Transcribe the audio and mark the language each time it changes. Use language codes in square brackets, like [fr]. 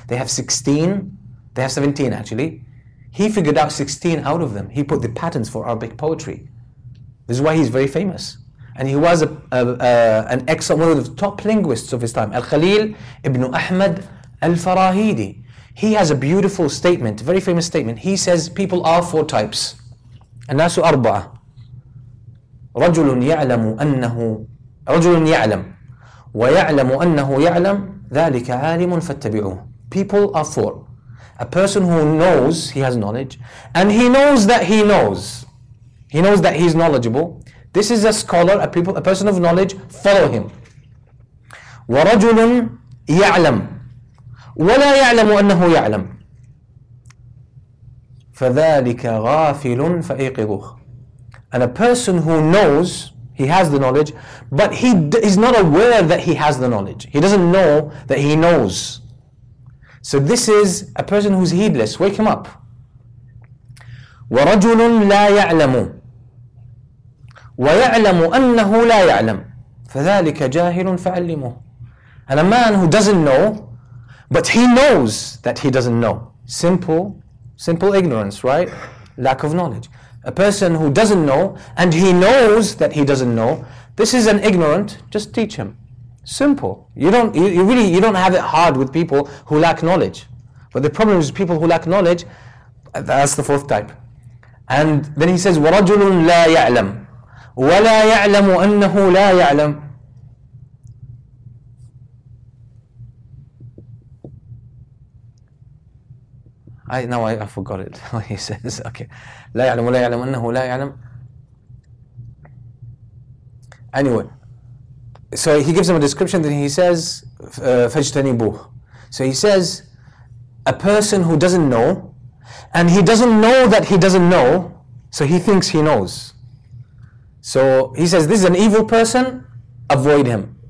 [en] They have 16. They have 17 actually. He figured out 16 out of them. He put the patterns for Arabic poetry. This is why he's very famous. And he was one of the top linguists of his time. Al-Khalil ibn Ahmad al-Farahidi. He has a beautiful statement, very famous statement. He says people are four types. [ar] الناس أربعة. رجل يعلم أنه رجل يعلم ويعلم أنه يعلم ذلك عالم فاتبعوه. [en] People are four. A person who knows, he has knowledge, and he knows that he knows. He knows that he's knowledgeable. This is a scholar, a person of knowledge. Follow him. [ar] ورجل يعلم ولا يعلم أنه يعلم فذلك غافل فأيقظه. [en] And a person who knows, he has the knowledge, but he is not aware that he has the knowledge. He doesn't know that he knows. So this is a person who's heedless. Wake him up. [ar] ورجل لا يعلم ويعلم أنه لا يعلم فذلك جاهل فعلمه. [en] And a man who doesn't know, but he knows that he doesn't know. Simple ignorance, right? Lack of knowledge. A person who doesn't know, and he knows that he doesn't know, this is an ignorant, just teach him. Simple. You don't have it hard with people who lack knowledge. But the problem is people who lack knowledge, that's the fourth type. And then he says, [ar] وَرَجُلٌ لَا يَعْلَمْ وَلَا يَعْلَمُ أَنَّهُ لَا يَعْلَمْ. [en] I forgot it. He says, okay. [ar] لا يعلم ولا يعلم أنه لا يعلم. [en] Anyway, so he gives him a description, then he says, [ar] فاجتنبوه. [en] So he says, a person who doesn't know, and he doesn't know that he doesn't know, so he thinks he knows. So he says, this is an evil person, avoid him.